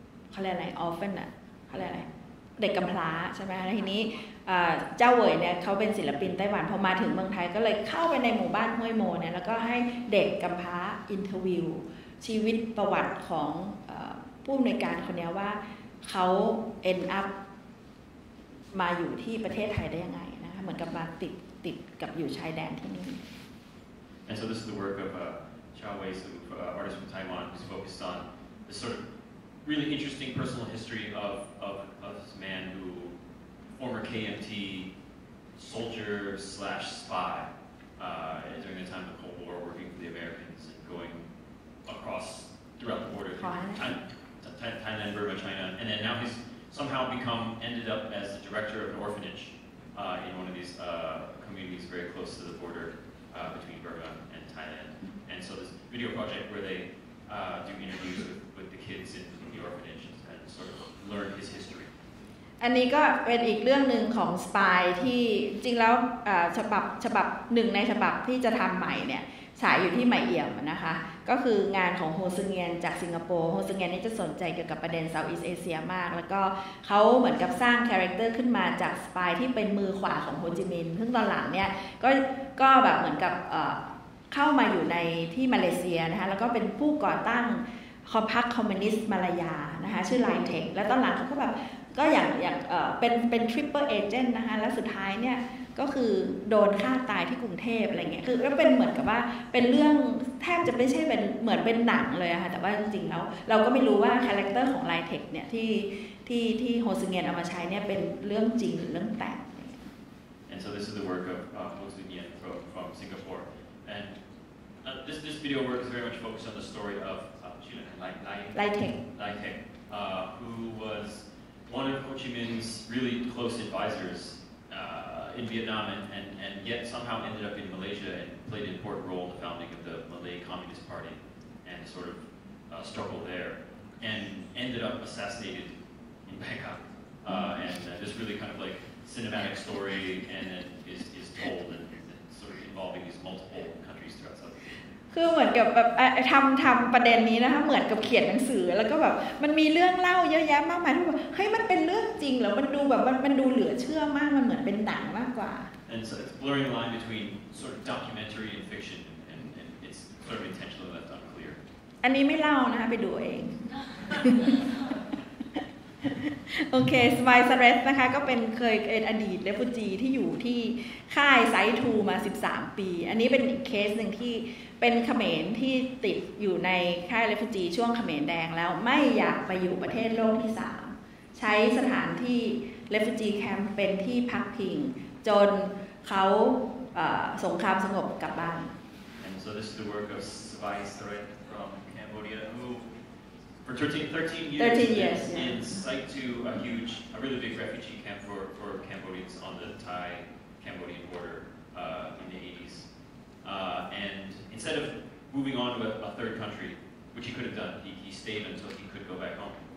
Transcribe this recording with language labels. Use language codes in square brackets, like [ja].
[th] เขาเรียกอะไรออฟฟินอะเขาเรียกอะไรเด็กกำพร้าใช่ไหมแล้วทีนี้เจ้าเหวยเนี่ยเขาเป็นศิลปินไต้หวันพอมาถึงเมืองไทยก็เลยเข้าไปในหมู่บ้านห้วยโมเนี่ยแล้วก็ให้เด็กกำพร้าอินเทอร์วิวชีวิตประวัติของผู้อำนวยการคนนี้ว่าเขา [en] end up [th] มาอยู่ที่ประเทศไทยได้ยังไงนะคะเหมือนกับมาติดกับอยู่ชายแดนที่นี่ [en] and so this is the work of Chao Wei Su, artist from Taiwan, who's focused on this sort of really interesting personal history of this man who, former KMT soldier slash spy during the time of the Cold War, working for the Americans and going across throughout the border, Thailand, Burma, China, and then now he's somehow ended up as the director of an orphanage in one of these communities very close to the border between Burma and Thailand. And so this video project where they do interviews with the kids in the orphanage and sort of learn his history. [th] อันนี้ก็เป็นอีกเรื่องนึงของสปายที่จริงแล้วฉบับหนึ่งในฉบับที่จะทำใหม่เนี่ยฉายอยู่ที่ใหม่เอี่ยมนะคะก็คืองานของโฮซึงเงียนจากสิงคโปร์โฮซึงเงียนนี่จะสนใจเกี่ยวกับประเด็นเซาท์อีสเอเชียมากแล้วก็เขาเหมือนกับสร้างคาแรคเตอร์ขึ้นมาจากสปายที่เป็นมือขวาของโฮจิมินห์ซึ่งตอนหลังเนี่ยก็แบบเหมือนกับ เข้ามาอยู่ในที่มาเลเซียนะคะแล้วก็เป็นผู้ก่อตั้งคอมพักคอมมิวนิสต์มาลายานะคะชื่อไลน์เทคแล้วตอนหลังเขาก็แบบก็อย่างเป็นทริปเปอร์เอเจนต์นะคะแล้วสุดท้ายเนี่ยก็คือโดนฆ่าตายที่กรุงเทพอะไรเงี้ยคือก็เป็นเหมือนกับว่าเป็นเรื่องแทบจะไม่ใช่เป็นเหมือนเป็นหนังเลยอะค่ะแต่ว่าจริงๆแล้วเราก็ไม่รู้ว่าคาแรคเตอร์ของไลน์เทคเนี่ยที่โฮซึงเงียนเอามาใช้เนี่ยเป็นเรื่องจริงหรือเรื่องแต่ง [en] and so this is the work of Ho Soo Nian from Singapore and this video work is very much focused on the story of Lai Teng, who was one of Ho Chi Minh's really close advisors in Vietnam and yet somehow ended up in Malaysia and played an important role in the founding of the Malay Communist Party and sort of struggle there and ended up assassinated in Bangkok. This really kind of like cinematic story and then is told and sort of involving these multiple countries throughout South Asia. [th] คือเหมือนกับแบบทำประเด็นนี้นะคะเหมือนกับเขียนหนังสือแล้วก็แบบมันมีเรื่องเล่าเยอะแยะมากมายที่แบบเฮ้ยมันเป็นเรื่องจริงเหรอมันดูแบบมันดูเหลือเชื่อมากมันเหมือนเป็นหนังมากกว่า [en] and so it's blurring the line between sort of documentary and fiction and it's sort of intentionally left unclear [th] อันนี้ไม่เล่านะคะไปดูเองโอเคสไปซ์เรสนะคะก็เคยเป็นอดีตเรฟูจีที่อยู่ที่ค่ายไซทูมา13ปีอันนี้เป็นอีกเคสหนึ่งที่เป็นเขมรที่ติดอยู่ในค่ายเรฟูจีช่วงเขมรแดงแล้วไม่อยากไปอยู่ประเทศโลกที่3ใช้สถานที่เรฟูจีแคมป์เป็นที่พักพิงจนเขาสงครามสงบกลับบ้าน [en] and so this is the work of Spice Thread from Cambodia who for 13 years, 13 years in, in site to a huge, a really big refugee camp for Cambodians on the Thai-Cambodian border in the 80s. And instead of moving on to a third country, which he could have done, he stayed until he could go back home.